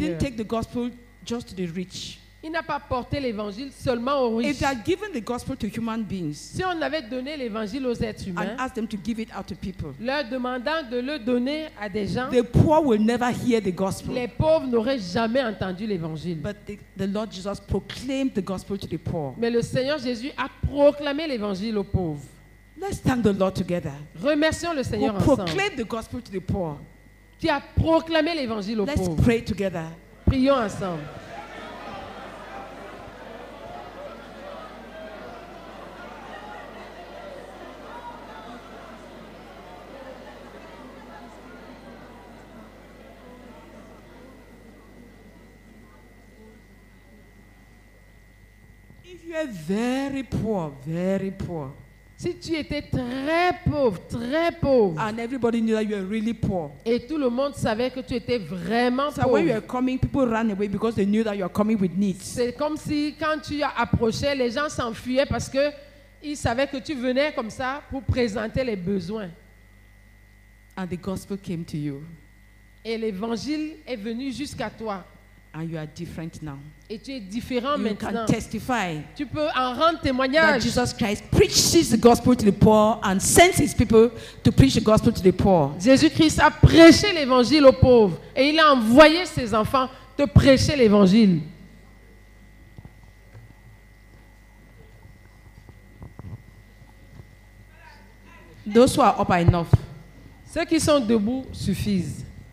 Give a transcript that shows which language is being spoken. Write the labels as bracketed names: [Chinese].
[English] He didn't take the gospel just to the rich. [French] Il n'a pas porté l'évangile seulement aux riches. [English] If they had given the gospel to human beings, [French] si on avait donné l'évangile aux êtres humains, [English] and asked them to give it out to people, [French] leur demandant de le donner à des gens, [English] the poor will never hear the gospel. [French] Les pauvres n'auraient jamais entendu l'évangile. [English] But the Lord Jesus proclaimed the gospel to the poor. [French] Mais le Seigneur Jésus a proclamé l'évangile aux pauvres. [English] Let's thank the Lord together. [French] Remercions le Seigneur ensemble. [English] Who proclaimed the gospel to the poor. [French] Qui a proclamé l'évangile aux [English] Let's [French] pauvres. [English] Pray together. [French] Prions ensemble. [English] If you are very poor, very poor. [French] Si tu étais très pauvre, très pauvre. [English] And everybody knew that you were really poor. [French] Et tout le monde savait que tu étais vraiment [English] so [French] pauvre. [English] So when you were coming, people ran away because they knew that you were coming with needs. [French] C'est comme si quand tu approchais, les gens s'enfuyaient parce que ils savaient que tu venais comme ça pour présenter les besoins. [English] And the gospel came to you. [French] Et l'évangile est venu jusqu'à toi. [English] And you are different now. [French] Et tu es différent [English] you [French] maintenant. [English] You can testify. [French] Tu peux en rendre témoignage. [English] That Jesus Christ preaches the gospel to the poor and sends his people to preach the gospel to the poor. [French] Jésus-Christ a prêché l'évangile aux pauvres et il a envoyé ses enfants te prêcher l'évangile. [English] Those who are up are enough. [French] Ceux qui sont debout suffisent.